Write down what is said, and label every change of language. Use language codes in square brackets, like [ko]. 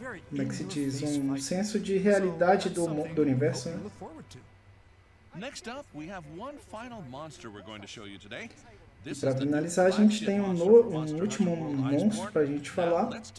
[pt] Como é que se diz? Um senso de realidade do universo, né? [en] Next up, we have one final monster we're going to show you today. [pt] E pra finalizar, a gente tem um último monstro pra gente falar.